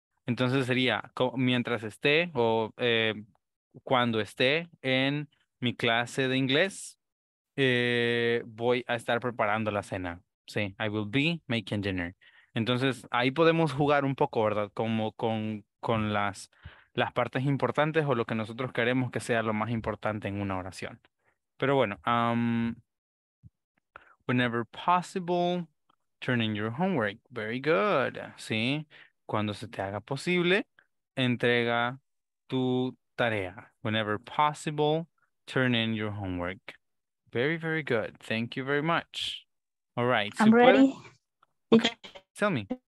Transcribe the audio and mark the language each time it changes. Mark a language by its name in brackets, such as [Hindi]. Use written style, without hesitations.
[Spanish] Entonces sería, mientras esté o cuando esté en mi clase de inglés, voy a estar preparando la cena. Sí, [English] I will be making dinner. [Spanish] Entonces, ahí podemos jugar un poco, ¿verdad? Como con las partes importantes o lo que nosotros queremos que sea lo más importante en una oración. Pero bueno, [English] whenever possible, turn in your homework. Very good. [Spanish] Sí, cuando se te haga posible, entrega tu tarea. [English] Whenever possible, turn in your homework. Very, very good. Thank you very much. All right. I'm ready. Okay. Tell me.